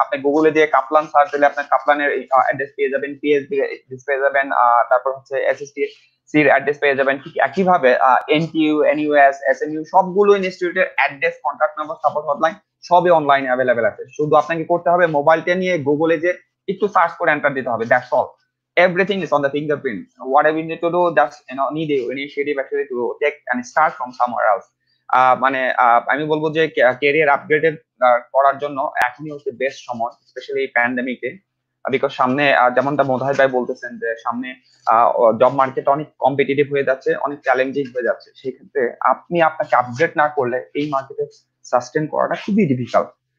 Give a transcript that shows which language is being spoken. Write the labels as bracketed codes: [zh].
[bn] আপনি গুগলে দিয়ে কাপলান সার্চ দিলে আপনার কাপলানের অ্যাড্রেস পেয়ে যাবেন, পিএইচডি পেয়ে যাবেন, তারপর হচ্ছে এসএসসির অ্যাড্রেস পেয়ে যাবেন। ঠিক একই ভাবে এনটিইউ, এনইউএস, এসএমইউ সবগুলো ইনস্টিটিউটের address, contact number, support hotline সবই অনলাইনে অ্যাভেলেবেল আছে। শুধু আপনাকে করতে হবে মোবাইলটা নিয়ে গুগলে যে একটু সার্চ করে এন্টার দিতে হবে, [en] That's all. Everything is on the fingerprint. Whatever you need to do, that's, you know, need an initiative actually to take and start from somewhere else. [bn] মানে আমি বলবো যে ক্যারিয়ার আপগ্রেডেড করার জন্য এখনই হচ্ছে বেস্ট সময়, স্পেশালি প্যান্ডেমিকে। বিকজ সামনে যেমনটা মোজাহিদ ভাই বলতেছেন যে সামনে জব মার্কেট অনেক কম্পিটিটিভ হয়ে যাচ্ছে, অনেক চ্যালেঞ্জিং হয়ে যাচ্ছে। সেই ক্ষেত্রে আপনি আপনাকে আপগ্রেড না করলে এই মার্কেটে সাস্টেন করাটা খুবই ডিফিকাল্ট।